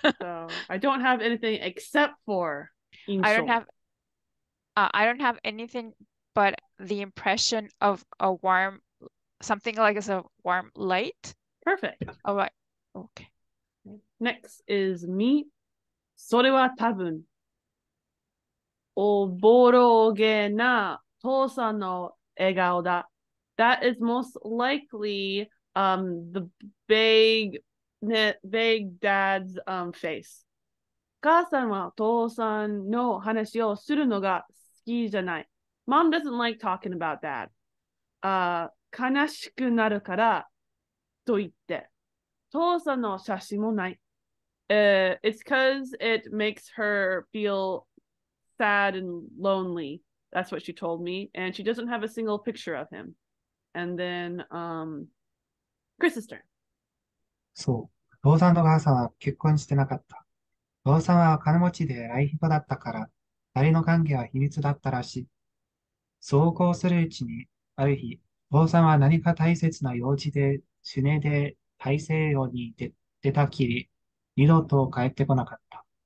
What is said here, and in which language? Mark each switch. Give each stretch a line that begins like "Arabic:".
English: So, I don't have anything except for insho. I don't have anything but the impression of a warm, something like a warm light. Perfect. All right. Okay. Next is me.
Japanese: それは多分おぼろげな父さんの笑顔だ。
English: That is most likely the big dad's face.
Japanese: 母さんは父さんの話をするのが好きじゃない。
English: Mom doesn't like talking about dad.
Japanese: 悲しくなるからと言って。父さんの写真もない。
English: It's because it makes her feel sad and lonely. That's what she told me. And she doesn't have a single picture of him. And then, Chris's turn.
Japanese: そう。父さんと母さんは結婚してなかった。父さんは金持ちで偉い人だったから、二人の関係は秘密だったらしい。そうこうするうちに、ある日、父さんは何か大切な用事で、シュネで大西洋に出たきり、二度と帰ってこなかった。